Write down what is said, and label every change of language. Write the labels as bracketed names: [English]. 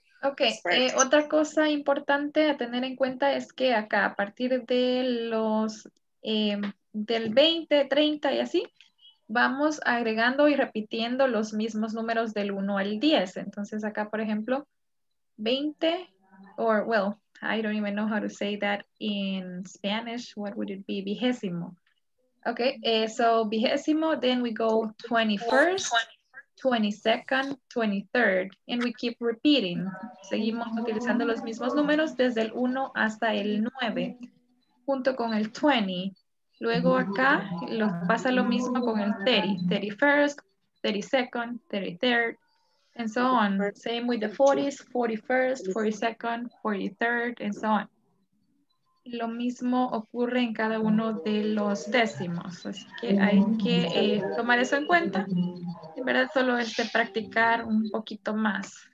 [Spanish] Okay, otra cosa importante a tener en cuenta es que acá a partir de los del 20, 30 y así vamos agregando y repitiendo los mismos números del 1 al 10. Entonces acá, por ejemplo, [English] 20, or well, I don't even know how to say that in Spanish. What would it be? Vigésimo. Okay, so vigésimo, then we go 21st, 22nd, 23rd, and we keep repeating. [Spanish] Seguimos utilizando los mismos números desde el 1 hasta el 9, junto con el 20. Luego acá lo, pasa lo mismo con el 30, 31st, 32nd, 33rd, [English] and so on. Same with the 40s, 41st, 42nd, 43rd, and so on. [Spanish] Lo mismo ocurre en cada uno de los décimos, así que hay que tomar eso en cuenta. En verdad solo es de practicar un poquito más.